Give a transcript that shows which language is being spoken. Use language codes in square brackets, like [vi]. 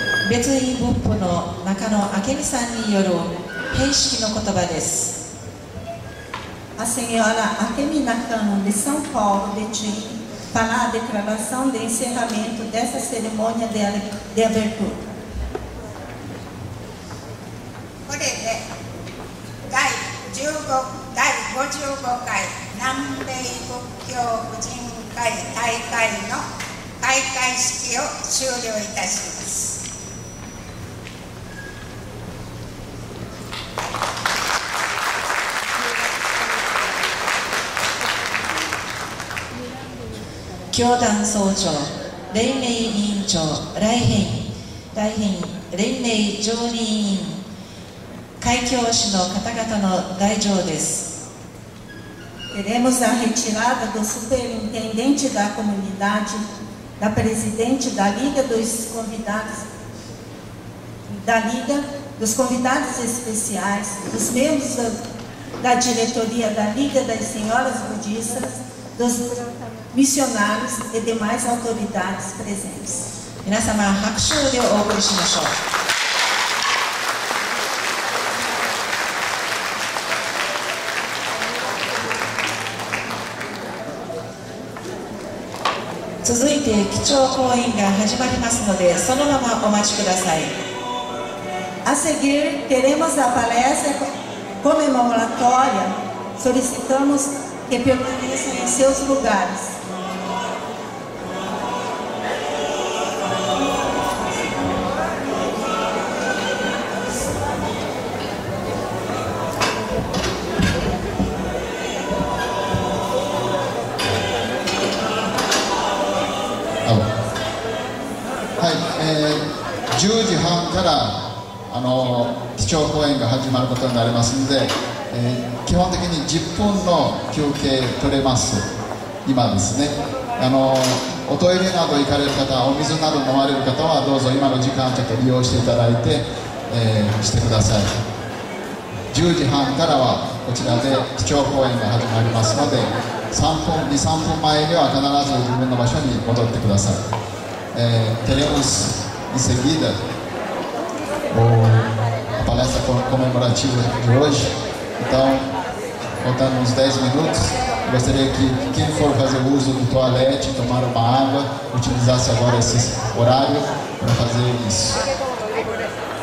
[ja] 別院仏法の中野明美さんによる編式の言葉です。 [pt] A senhora Akemi Nakano, de São Paulo, Betim, fará a declaração de encerramento dessa cerimônia de abertura. [ja] Porém, Dai 55回, Nambei Bukkyo Fujin Kai Taikai no Kaikai Shiki を終了いたします。教団総長、連盟委員長、来賓、大賓、連盟常任委員、開教師の方々の代表です。 [pt] Teremos a retirada do superintendente da comunidade, da presidente da Liga dos convidados, da Liga dos convidados especiais, dos membros da diretoria da Liga das Senhoras Budistas, dos missionários e demais autoridades presentes. [ja] 皆様、拍手でお送りしましょう。続いて基調講演が始まりますので、そのままお待ちください。 [pt] A seguir teremos a palestra comemoratória. Solicitamos que permaneçam em seus lugares. [ja] 10時半から基調講演が始まることになりますので、基本的に10分の休憩取れます。今ですね、おトイレなど行かれる方、お水など飲まれる方はどうぞ今の時間ちょっと利用していただいて、してください。 10時半からはこちらで基調講演が始まりますので、2、3分前には必ず自分の場所に戻ってください。 [pt] Teremos em seguida a palestra comemorativa de hoje. Então, faltando uns 10 minutos, gostaria que quem for fazer uso do toalete, tomar uma água, utilizasse agora esse horário para fazer isso.